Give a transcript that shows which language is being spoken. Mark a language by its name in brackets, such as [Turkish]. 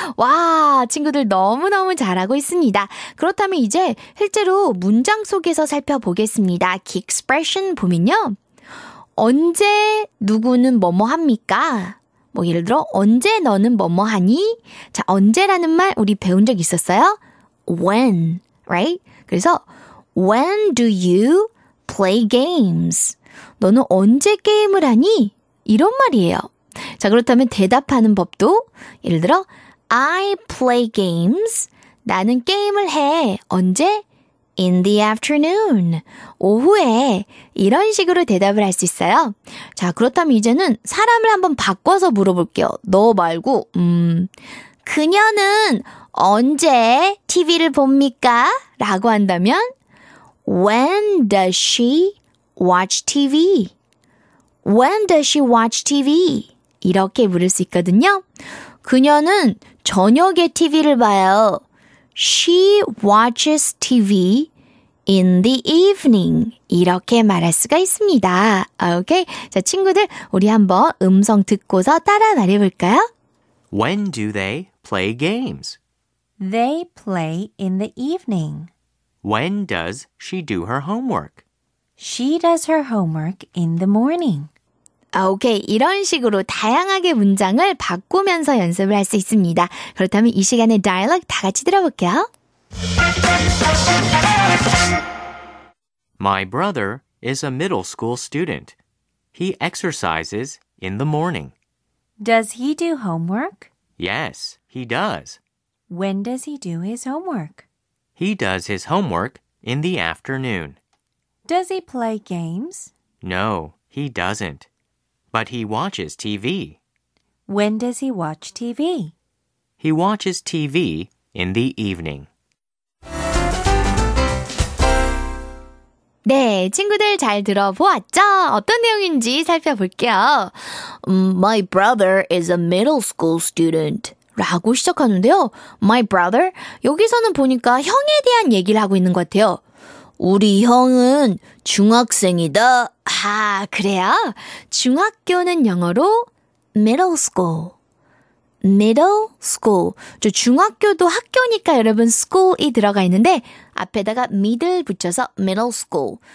[Korean] 와, 친구들 너무너무 잘하고 있습니다. 그렇다면 이제 실제로 문장 속에서 살펴보겠습니다. 기익스프레션 보면요. 언제 누구는 뭐뭐 합니까? 뭐 예를 들어 언제 너는 뭐뭐 하니? 자, 언제라는 말 우리 배운 적 있었어요? [English] When, right? [Korean] 그래서 [English] When do you play games? [Korean] 너는 언제 게임을 하니? 이런 말이에요. 자, 그렇다면 대답하는 법도 예를 들어 [English] I play games. [Korean] 나는 게임을 해. 언제? [English] In the afternoon. [Korean] 오후에. 이런 식으로 대답을 할 수 있어요. 자, 그렇다면 이제는 사람을 한번 바꿔서 물어볼게요. 너 말고 그녀는 언제 TV를 봅니까? 라고 한다면 [English] When does she watch TV? When does she watch TV? [Korean] 이렇게 물을 수 있거든요. 그녀는 저녁에 TV를 봐요. [English] She watches TV in the evening. [Korean] 이렇게 말할 수가 있습니다. 오케이. 자, 친구들 우리 한번 음성 듣고서 따라 말해볼까요? [English] When do they play games? They play in the evening. When does she do her homework? She does her homework in the morning. [Korean] 오케이, 이런 식으로 다양하게 문장을 바꾸면서 연습을 할 수 있습니다. 그렇다면 이 시간의 다이얼로그 다 같이 들어볼게요. [English] My brother is a middle school student. He exercises in the morning. Does he do homework? Yes, he does. When does he do his homework? He does his homework in the afternoon. Does he play games? No, he doesn't. But he watches TV. When does he watch TV? He watches TV in the evening. [Korean] 네, 친구들 잘 들어보았죠? 어떤 내용인지 살펴볼게요. [English] My brother is a middle school student. [Korean] 라고 시작하는데요. [English] My brother? [Korean] 여기서는 보니까 형에 대한 얘기를 하고 있는 것 같아요. 우리 형은 중학생이다. 아, 그래요? 중학교는 영어로 middle school. [English] middle school. [Korean] 저 중학교도 학교니까 여러분 school이 들어가 있는데 앞에다가 middle 붙여서 middle school.